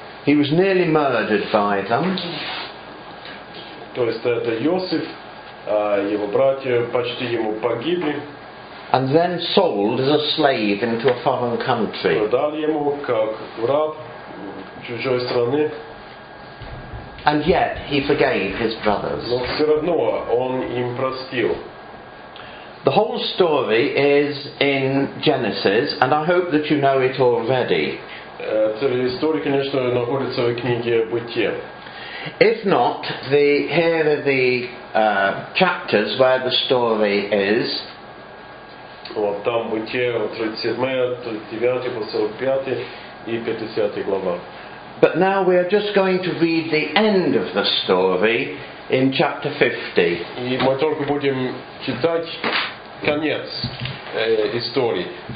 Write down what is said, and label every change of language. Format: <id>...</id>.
<en>He was nearly murdered by them.</en> <ru>То есть это Иосиф, его братья почти ему погибли.</ru> <en>And then sold as a slave into a foreign country.</en> <ru>Продали ему как раб чужой страны.</ru> <en>And yet he forgave his brothers.</en> <ru>Но все равно он им простил.</ru> <en>The whole story is in Genesis, and I hope that you know it already.</en> <ru>История, конечно, находится в книге Бытие.</ru> <en>If not, here are the chapters where the story is.</en> <ru>Вот там Бытие, 37, 39, 45 и 50 глава.</ru> <en>But now we are just going to read the end of the story in chapter 50.</en> <ru>И мы только будем читать конец истории.</ru>